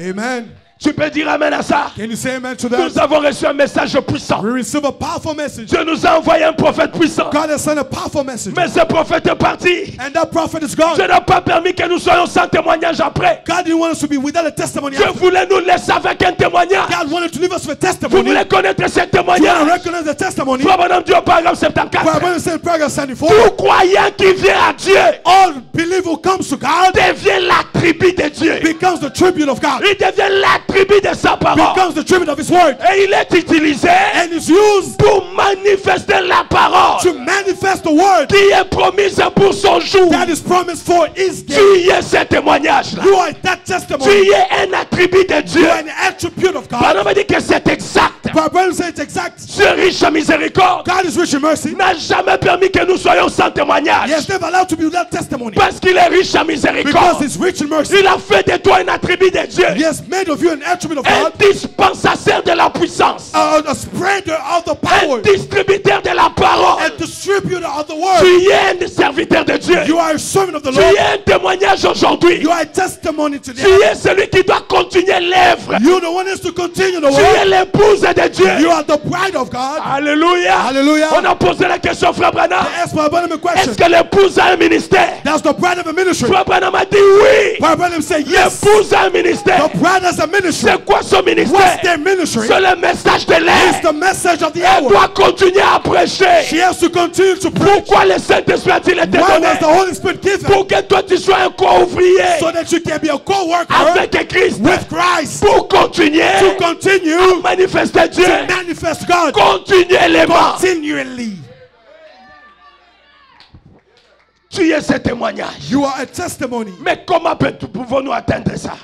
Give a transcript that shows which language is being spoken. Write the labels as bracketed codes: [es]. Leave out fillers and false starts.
[fr] Amen. Tu peux dire amen à ça? [en] Can you say amen to that? [fr] Nous avons reçu un message puissant. [en] We receive a powerful message. [fr] Dieu nous a envoyé un prophète puissant. [en] God has sent a powerful message. [fr] Mais ce prophète est parti. [en] And that prophet is gone. [fr] Dieu n'a pas permis que nous soyons sans témoignage après. [en] God didn't want us to be without a testimony. [fr] Dieu voulait nous laisser avec un témoignage. [en] God wanted to leave us with a testimony. [fr] Vous voulez connaître ce témoignage? [en] You want to recognize the testimony. [fr] Frère Branham dit au paragraphe 74. Tout croyant qui vient à Dieu. [en] All believer who comes to God. [fr] Devient la tribu de Dieu. [en] Becomes the tribute of God. [fr] Il devient la de sa [en] becomes the tribute of his word. [fr] Et il est utilisé [en] and is used [fr] pour manifester la parole [en] to manifest the word [fr] qui est promise pour son jour. [en] That is promised for his day. [fr] Tu es ce témoignage là. [en] You are that testimony. [fr] Tu es un attribut de Dieu. [en] You are an attribute of God. [fr] Parole me dit que c'est exact. [en] But Bible says it's exact. [fr] Dieu riche en miséricorde. [en] God is rich in mercy. [fr] N'a jamais permis que nous soyons sans témoignage. [en] He has never allowed to be without testimony. [fr] Parce qu'il est riche en miséricorde. [en] Because he's rich in mercy. [fr] Il a fait de toi un attribut de Dieu. [en] He has made of you an attribute of God. [fr] Un dispensateur de la puissance. [en] A spreader of the power. [fr] Un distributeur de la parole. [en] A distributeur contributor of the word. [fr] Tu es un serviteur de Dieu. [en] You are a servant of the [fr] tu [en] Lord. [fr] Tu es un témoignage aujourd'hui. [en] You are a testimony today. [fr] Tu es celui qui doit continuer l'œuvre. [en] You are the one who is to continue the work. [fr] Tu es l'épouse de Dieu. [en] You are the bride of God. Alléluia. Alléluia. [fr] On a posé la question à Frère Branham. [en] They asked Frère Branham a question. [fr] Est-ce que l'épouse a un ministère? [en] Does the bride of a ministry? [fr] Frère Branham a dit oui. [en] Frère Branham said yes. [fr] L'épouse a un ministère. [en] The bride has a ministry. [fr] C'est quoi son ministère? [en] What's their ministry? [fr] C'est le message de l'air. [en] It's the message of the [fr] elle [en] hour. [fr] Elle doit continuer à prêcher. [en] She has to continue to preach. [fr] Pourquoi le Saint-Esprit a-t-il été donné? [en] Why was the Holy Spirit given? [fr] Pour que toi tu sois un co-ouvrier. [en] So that you can be a co-worker. [fr] Avec Christ. [en] With Christ. [fr] Pour continuer. [en] To continue. [fr] À manifester Dieu. [en] To manifest God. [fr] Continuellement. [en] Continually. [fr] Tu es ce témoignage. [en] You are a testimony. [fr] Mais comment pouvons-nous atteindre ça?